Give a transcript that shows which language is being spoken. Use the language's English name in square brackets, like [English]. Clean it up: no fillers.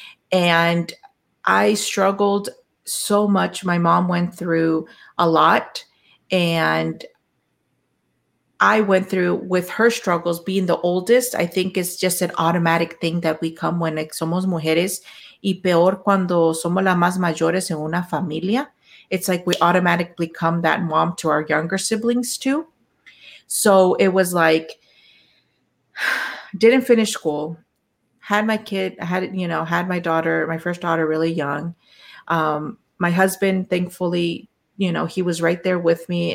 [English] And I struggled so much. My mom went through a lot. And I went through with her struggles being the oldest. I think it's just an automatic thing that we come when like, [Spanish] somos mujeres. Y peor cuando somos las más mayores en una familia. [English] It's like we automatically come that mom to our younger siblings too. So it was like, didn't finish school. Had my kid, had my daughter, my first daughter really young. My husband, thankfully, you know, he was right there with me.